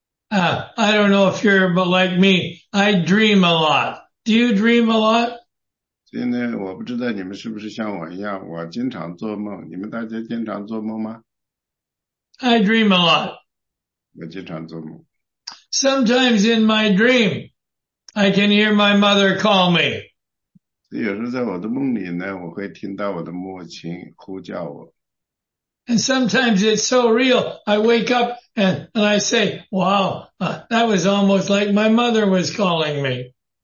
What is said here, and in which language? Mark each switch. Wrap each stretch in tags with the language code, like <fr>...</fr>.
<en>I don't know if you're but like me. I dream a lot. Do you dream a lot?</en> <zh>我经常做梦,你们大家经常做梦吗?</zh> <en>I dream a lot.</en> <zh>我经常做梦。</zh> <en>Sometimes in my dream, I can hear my mother call me.</en> <zh>有时候在我的梦里呢,我会听到我的母亲呼叫我。</zh> <en>And sometimes it's so real, I wake up and I say, wow, that was almost like my mother was calling me.</en>